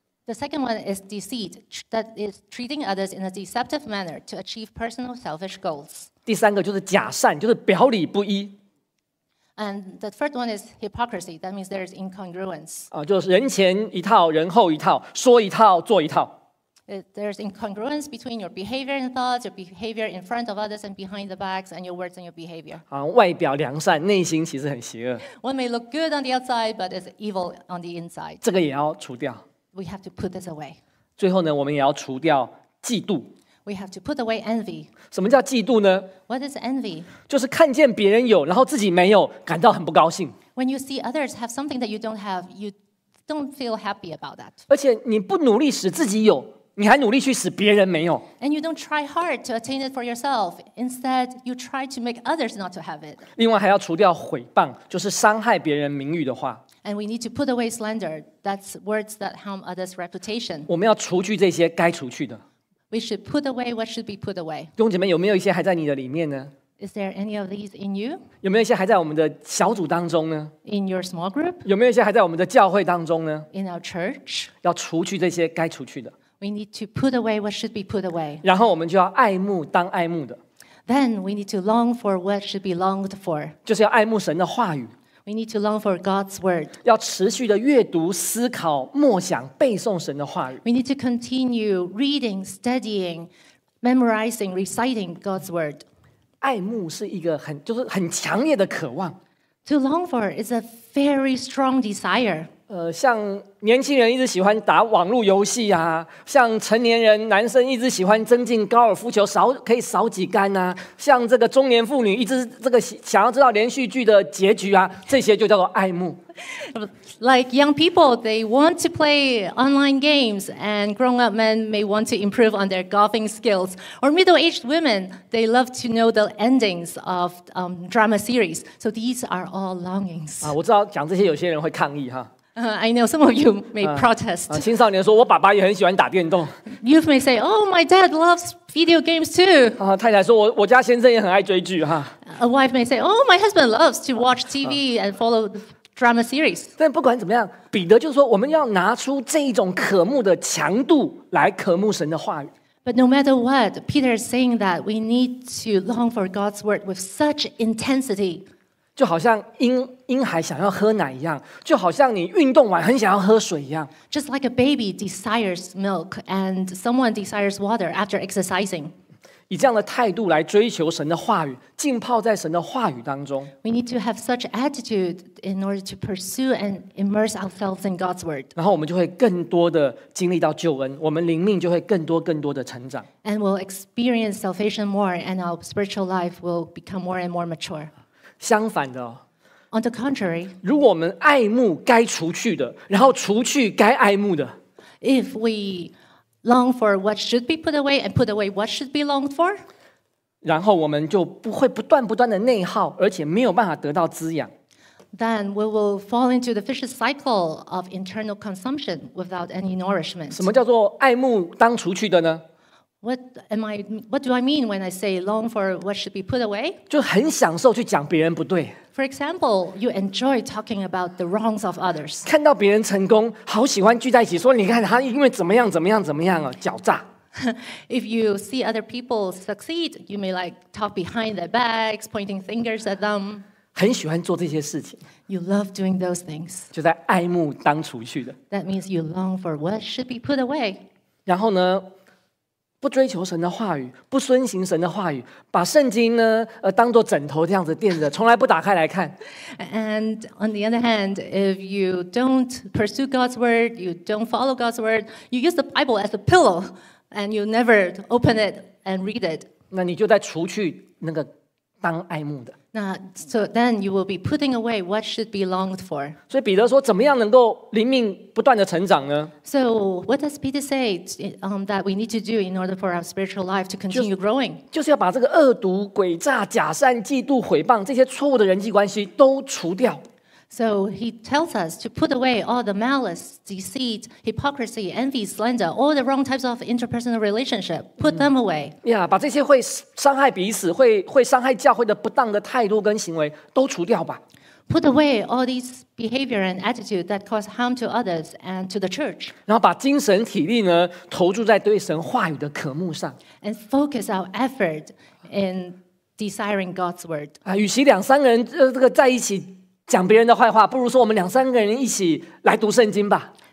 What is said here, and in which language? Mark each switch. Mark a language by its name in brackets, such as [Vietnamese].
[English] The second one is deceit, that is treating others in a deceptive manner to achieve personal selfish goals. [Chinese] 第三个就是假善，就是表里不一。 [English] And the third one is hypocrisy, that means there is incongruence. [Chinese] 就是人前一套，人后一套，说一套，做一套。 [English] There's incongruence between your behavior and thoughts, your behavior in front of others and behind the backs, and your words and your behavior. [Chinese] 外表良善，内心其实很邪恶。 [English] One may look good on the outside, but it's evil on the inside. [Chinese] 这个也要除掉。 [English] We have to put this away. [Chinese] 最后呢，我们也要除掉嫉妒。 [English] We have to put away envy. [Chinese] 什么叫嫉妒呢？ [English] What is envy? [Chinese] 就是看见别人有，然后自己没有，感到很不高兴。 [English] When you see others have something that you don't have, you don't feel happy about that. [Chinese] 而且你不努力使自己有，你还努力去使别人没有。 [English] And you don't try hard to attain it for yourself. Instead, you try to make others not to have it. [Chinese] 另外还要除掉毁谤，就是伤害别人名誉的话。 [English] And we need to put away slander. That's words that harm others' reputation. [Chinese] 我们要除去这些该除去的。 [English] We should put away what should be put away. [Chinese] 弟兄姐妹，有没有一些还在你的里面呢？ [English] Is there any of these in you? [Chinese] 有没有一些还在我们的小组当中呢？ [English] In your small group? [Chinese] 有没有一些还在我们的教会当中呢？ [English] In our church? [Chinese] 要除去这些该除去的。 [English] We need to put away what should be put away. [Chinese] 然后我们就要爱慕当爱慕的。 [English] Then we need to long for what should be longed for. [Chinese] 就是要爱慕神的话语。 [English] We need to long for God's word. [Chinese] 要持续的阅读、思考、默想、背诵神的话语。 [English] We need to continue reading, studying, memorizing, reciting God's word. [Chinese] 爱慕是一个很就是很强烈的渴望。 [English] To long for is a very strong desire. [Chinese] 像年轻人一直喜欢打网络游戏啊，像成年人男生一直喜欢增进高尔夫球，少可以少几杆啊，像这个中年妇女一直这个想要知道连续剧的结局啊，这些就叫做爱慕。 [English] Like young people, they want to play online games, and grown-up men may want to improve on their golfing skills. Or middle-aged women, they love to know the endings of drama series. So these are all longings. [Chinese] 我知道讲这些有些人会抗议哈。 [English] I know some of you may protest. [Chinese] 青少年说，我爸爸也很喜欢打电动。 [English] Youth may say, "Oh, my dad loves video games too." [Chinese] 太太说，我家先生也很爱追剧哈。 [English] A wife may say, "Oh, my husband loves to watch TV and follow drama series." [Chinese] 但不管怎么样，彼得就是说，我们要拿出这一种渴慕的强度来渴慕神的话语。 [English] But no matter what, Peter is saying that we need to long for God's word with such intensity. [Chinese] 就好像婴孩想要喝奶一样，就好像你运动完很想要喝水一样。 [English] Just like a baby desires milk and someone desires water after exercising. [Chinese] 以这样的态度来追求神的话语，浸泡在神的话语当中。 [English] We need to have such attitude in order to pursue and immerse ourselves in God's word. [Chinese] 然后我们就会更多的经历到救恩，我们灵命就会更多更多的成长。 [English] And we'll experience salvation more, and our spiritual life will become more and more mature. [Chinese] 相反的、 [English] On the contrary, [Chinese] 如果我们爱慕该除去的，然后除去该爱慕的， [English] If we long for what should be put away and put away what should be longed for, [Chinese] 然后我们就不会不断不断的内耗，而且没有办法得到滋养。 [English] Then we will fall into the vicious cycle of internal consumption without any nourishment. [Chinese] 什么叫做爱慕当除去的呢？ [English] What do I mean when I say long for what should be put away? [Chinese] 就很享受去讲别人不对。 [English] For example, you enjoy talking about the wrongs of others. [Chinese] 看到别人成功，好喜欢聚在一起说，你看他因为怎么样怎么样怎么样啊，狡诈。 [English] If you see other people succeed, you may like talk behind their backs, pointing fingers at them. [Chinese] 很喜欢做这些事情。 [English] You love doing those things. [Chinese] 就在爱慕当除去的。 [English] That means you long for what should be put away. [Chinese] 然后呢？不追求神的话语，不遵行神的话语，把圣经呢，当作枕头这样子垫着，从来不打开来看。 [English] And on the other hand, if you don't pursue God's word, you don't follow God's word, you use the Bible as a pillow, and you never open it and read it. [Chinese] 那你就在除去那个当爱慕的。 [English] 那 so then you will be putting away what should be longed for. [Chinese] 所以彼得说，怎么样能够灵命不断的成长呢 [English] ？So what does Peter say that we need to do in order for our spiritual life to continue growing？ [Chinese] 就是要把这个恶毒、诡诈、假善、嫉妒、毁谤这些错误的人际关系都除掉。 [English] So he tells us to put away all the malice, deceit, hypocrisy, envy, slander, all the wrong types of interpersonal relationship. Put them away. [Chinese] Yeah, 把这些会伤害彼此、会伤害教会的不当的态度跟行为都除掉吧。 [English] Put away all these behavior and attitude that cause harm to others and to the church. [Chinese] 然后把精神体力呢投注在对神话语的渴慕上。 [English] And focus our effort in desiring God's word. [Chinese] 啊，与其两三个人这个在一起。讲别人的坏话，不如说我们两三个人一起来读圣经吧。